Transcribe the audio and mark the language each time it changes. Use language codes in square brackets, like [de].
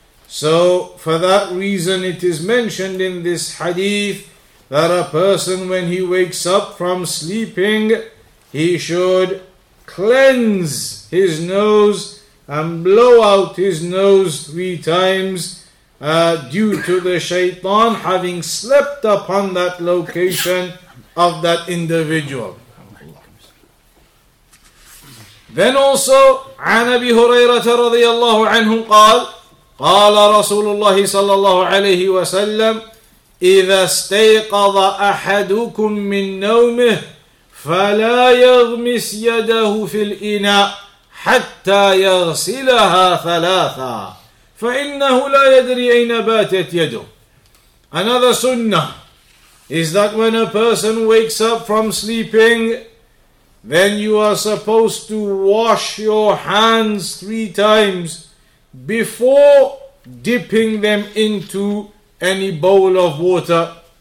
[en] So, for that reason, it is mentioned in this hadith that a person, when he wakes up from sleeping, he should cleanse his nose and blow out his nose three times due to the shaitan having slept upon that location of that individual. Then also, [ar] عن أبي هريرة رضي الله عنه قال قال رسول الله صلى الله عليه وسلم إذا استيقظ أحدكم من نومه فلا يغمس يده في الإناء حتى يغسلها ثلاثا فإنه لا يدري أين باتت يده. [en] Another sunnah is that when a person wakes up from sleeping, then you are supposed to wash your hands 3 times before dipping them into any bowl of water.